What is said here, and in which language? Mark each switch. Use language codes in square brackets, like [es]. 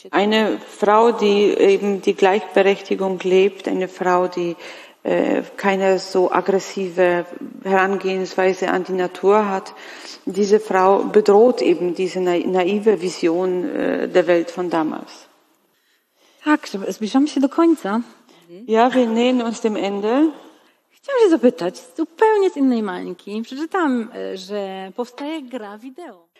[de] Eine Frau, die eben die Gleichberechtigung lebt, eine Frau, die keine so aggressive Herangehensweise an die Natur hat, diese Frau bedroht eben diese naive Vision der Welt von damals. [pl] Tak, zbliżamy się do końca. [de] Ja, wir nähern uns dem Ende. [pl] Chciałam się zapytać, zupełnie z innej mańki. Przeczytam, że powstaje gra wideo.